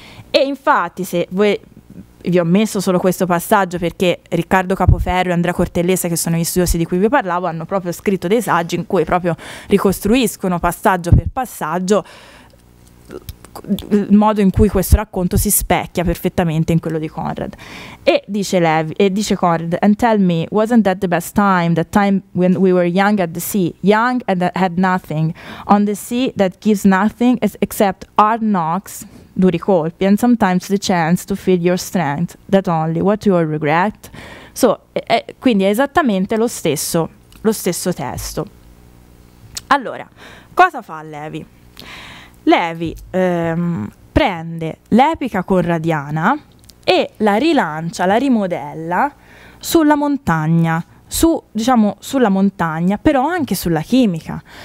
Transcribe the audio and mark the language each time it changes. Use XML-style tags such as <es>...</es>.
<it>E infatti, se voi, vi ho messo solo questo passaggio perché Riccardo Capoferro e Andrea Cortellesa, che sono gli studiosi di cui vi parlavo, hanno proprio scritto dei saggi in cui proprio ricostruiscono passaggio per passaggio il modo in cui questo racconto si specchia perfettamente in quello di Conrad. E dice Levi, e dice Conrad:</it> <en>and tell me, wasn't that the best time, the time when we were young at the sea, young and had nothing, on the sea that gives nothing except hard knocks,</en> <it>duri colpi,</it> <en>and sometimes the chance to feel your strength, that only what you will regret.</en> <it>So quindi è esattamente lo stesso testo. Allora, cosa fa Levi? Levi prende l'epica conradiana e la rilancia, la rimodella sulla montagna, sulla montagna, però anche sulla chimica.</it>